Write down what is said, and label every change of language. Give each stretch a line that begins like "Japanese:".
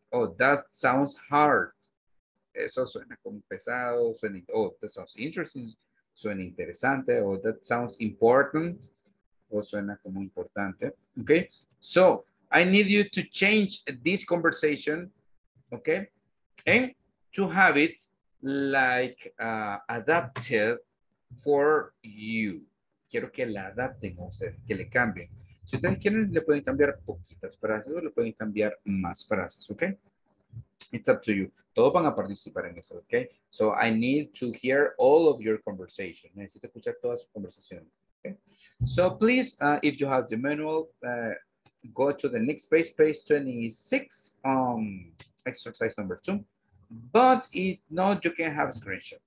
English: Oh, that sounds hard.
Spanish: Eso suena como pesado,
English: that sounds interesting,
Spanish: suena interesante,
English: or that sounds important,
Spanish: o suena como importante,
English: okay? So, I need you to change this conversation, okay? And to have it like adapted for you.
Spanish: Quiero que la adapten a ustedes, que le cambien. Si ustedes quieren, le pueden cambiar poquitas frases o le pueden cambiar más frases, okay?
English: It's up to you.
Spanish: Todos van a participar en eso, okay?
English: So I need to hear all of your conversation.
Spanish: Necesito escuchar todas sus conversaciones,
English: okay? So please, if you have the manual, go to the next page, page 26, exercise number 2. But if not, you can have a screenshot.